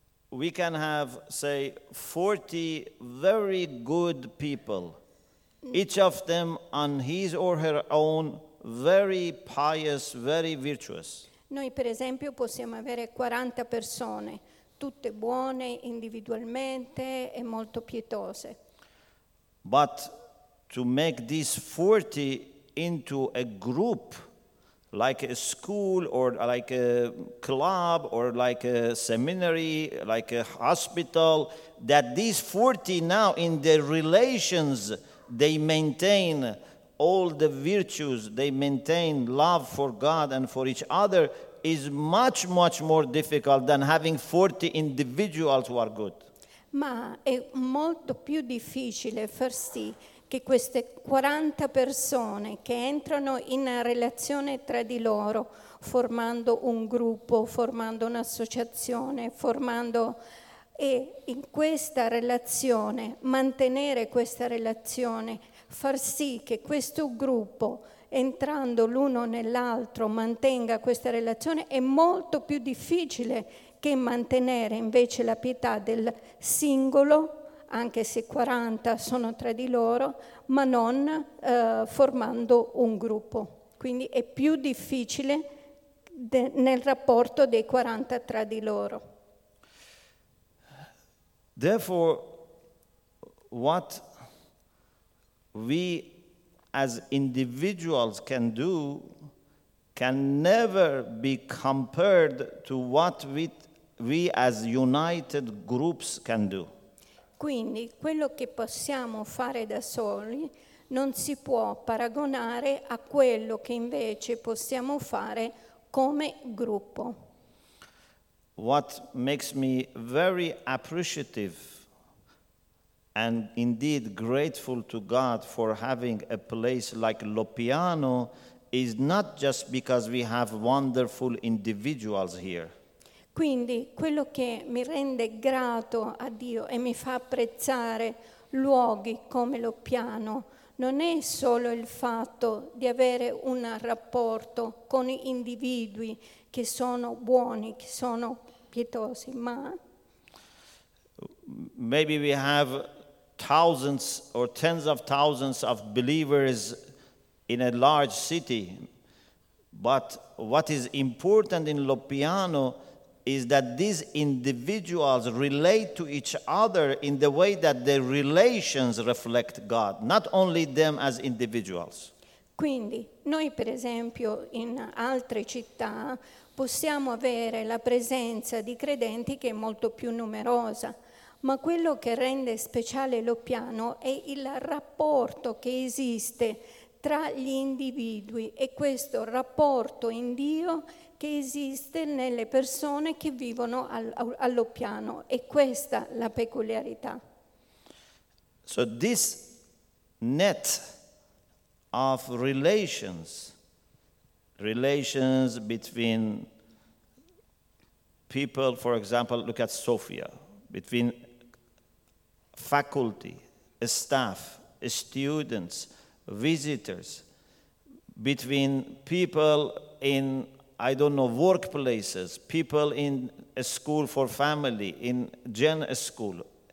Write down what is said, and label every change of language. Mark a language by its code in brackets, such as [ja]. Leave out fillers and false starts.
[en] We can have, say, 40 very good people, each of them on his or her own very pious, very virtuous. [it] Noi, per esempio, possiamo avere 40 persone, tutte buone individualmente e molto pietose. [en] But to make these 40 into a group, like a school or like a club or like a seminary, like a hospital, that these 40 now in their relations, they maintain all the virtues, they maintain love for God and for each other, is much, much more difficult than having 40 individuals who are good. [it] Ma è molto più difficile far sì che queste 40 persone che entrano in relazione tra di loro, formando un gruppo, formando un'associazione, formando e in questa relazione, mantenere questa relazione, far sì che questo gruppo, entrando l'uno nell'altro, mantenga questa relazione, è molto più difficile che mantenere invece la pietà del singolo anche se 40 sono tra di loro, ma non formando un gruppo. Quindi è più difficile nel rapporto dei 40 tra di loro. [en] Therefore, what we as individuals can do can never be compared to what we as united groups can do. [it] Quindi quello che possiamo fare da soli non si può paragonare a quello che invece possiamo fare come gruppo. [en] What makes me very appreciative and indeed grateful to God for having a place like Loppiano is not just because we have wonderful individuals here. [it] Quindi quello che mi rende grato a Dio e mi fa apprezzare luoghi come Loppiano non è solo il fatto di avere un rapporto con individui che sono buoni, che sono pietosi, ma [en] maybe we have thousands or tens of thousands of believers in a large city, but what is important in Loppiano is that these individuals relate to each other in the way that their relations reflect God, not only them as individuals. [it] Quindi, noi per esempio in altre città possiamo avere la presenza di credenti che è molto più numerosa, ma quello che rende speciale Loppiano è il rapporto che esiste tra gli individui e questo rapporto in Dio che esiste nelle persone che vivono allo piano, e questa la peculiarità. [en] So this net of relations between people, for example, look at Sofia, between faculty, staff, students, visitors, between people in, I don't know, workplaces, people in a school for family, in gen school.